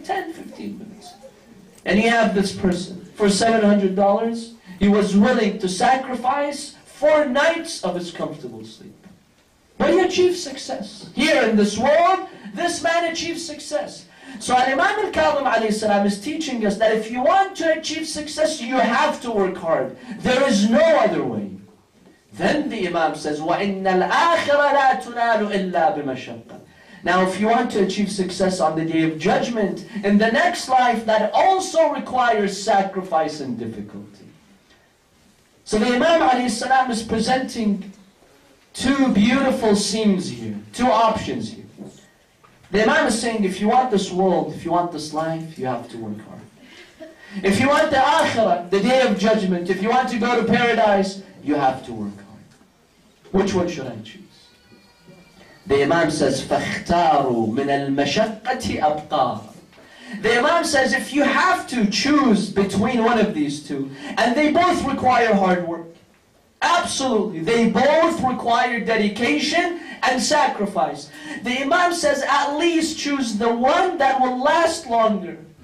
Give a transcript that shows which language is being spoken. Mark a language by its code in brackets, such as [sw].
[en] 10-15 minutes. And you have this person, for $700, he was willing to sacrifice 4 nights of his comfortable sleep. But he achieved success. Here in this world, this man achieved success. So Imam al-Kadhim alayhi salam is teaching us that if you want to achieve success, you have to work hard. There is no other way. Then the Imam says, [ar] وَإِنَّ الْآخِرَ لَا تُنَالُ إِلَّا بِمَشَقَّةٍ. [en] Now if you want to achieve success on the Day of Judgment, in the next life, that also requires sacrifice and difficulty. So the Imam alayhi salam is presenting two beautiful scenes here, two options here. The Imam is saying, if you want this world, if you want this life, you have to work hard. If you want the Akhirah, the Day of Judgment, if you want to go to paradise, you have to work hard. Which one should I choose? The Imam says, [ar] فَاخْتَارُوا مِنَ الْمَشَقَّةِ أَبْقَى. [en] The Imam says, if you have to choose between one of these two, and they both require hard work, absolutely, they both require dedication and sacrifice. The Imam says, at least choose the one that will last longer.